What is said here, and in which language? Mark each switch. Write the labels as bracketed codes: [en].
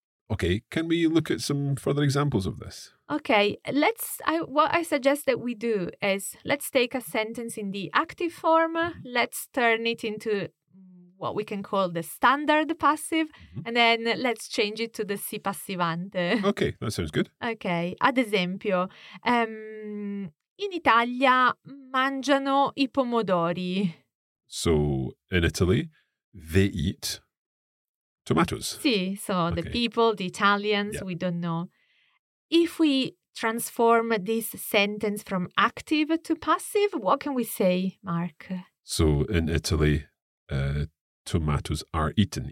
[en] Okay, can we look at some further examples of this? Okay, what I suggest that we do is let's take a sentence in the active form, let's turn it into what we can call the standard passive, and then let's change it to the si passivante. Okay, that sounds good. [it] Okay, ad esempio, in Italia mangiano i pomodori. [en] So, in Italy, they eat tomatoes. [it] Sì, [en] so the people, the Italians, we don't know. If we transform this sentence from active to passive, what can we say, Mark? So, in Italy, tomatoes are eaten.